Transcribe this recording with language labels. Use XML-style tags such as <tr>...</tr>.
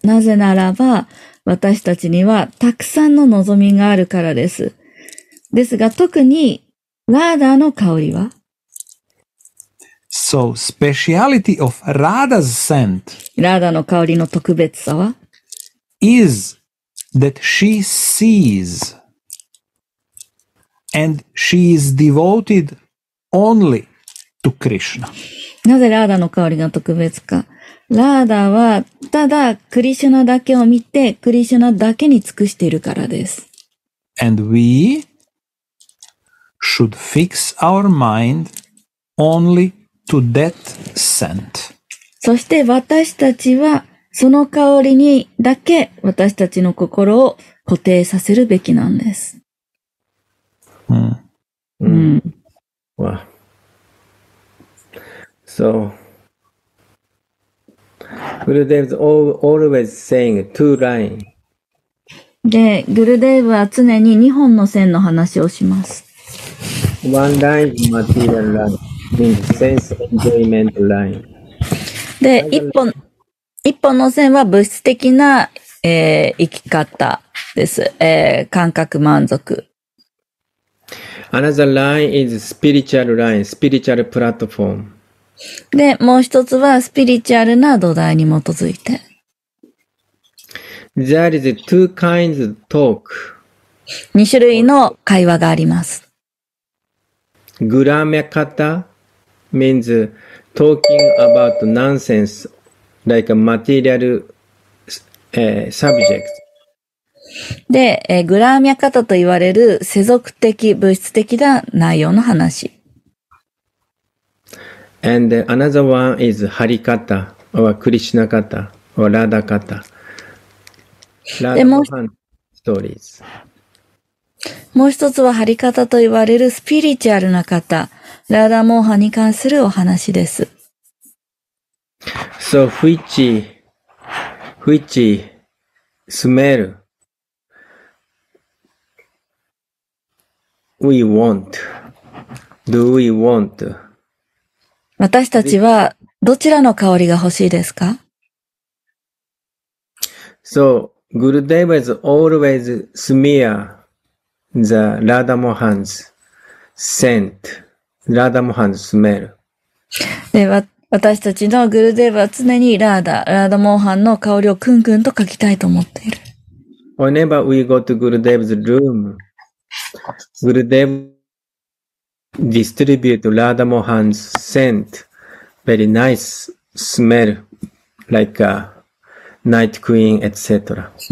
<ja>なぜならば私たちにはたくさんの望みがあるからです。ですが特にラーダの香りは</ja> <en>So, speciality of Radha's scent</en> <ja>ラーダの香りの特別さは</ja> <en>is that she sees and she is devoted only to Krishna.</en> <ja>なぜラーダの香りが特別か。ラーダはただクリシュナだけを見てクリシュナだけに尽くしているからです。</ja> <en>And we should fix our mind only to that scent.</en> <ja>そして私たちはその香りにだけ私たちの心を固定させるべきなんです。</ja> <en>Wow. So, Gurudev is always saying two lines.</en> <ja>で、グルデーヴは常に2本の線の話をします。</ja> <en>One line is material line, means sense enjoyment line.</en> <ja>で、1本の線は物質的な、生き方です。感覚満足。</ja> <en>Another line is spiritual line, spiritual platform.</en> <ja>で、もう一つはスピリチュアルな土台に基づいて。</ja> <en>There is two kinds of talk.</en> <ja>二種類の会話があります。</ja> <en>グラメカタ means talking about nonsense, like a material, subject.</en> <ja>で、グラーミャカタと言われる世俗的、物質的な内容の話。</ja> <en>And another one is ハリカタ、or クリシナカタ、or ラダカタ。</en> <ja>ラダカタのストーリーズ。もう一つはハリカタと言われるスピリチュアルな方、ラダモーハに関するお話です。</ja> <en>So, which smell? We want. Do we want?</en> <ja>私たちはどちらの香りが欲しいですか?</ja> <en>So, Gurudev is always smear the Radha Mohan's scent. Radha Mohan's smell.</en> <ja>で、私たちのグルデーヴは常にラーダモーハンの香りをクンクンと嗅ぎたいと思っている。</ja> <en>Whenever we go to Gurudev's room,Gurudev distribute Radha Mohan's scent, very nice smell, like a night queen, etc.</en>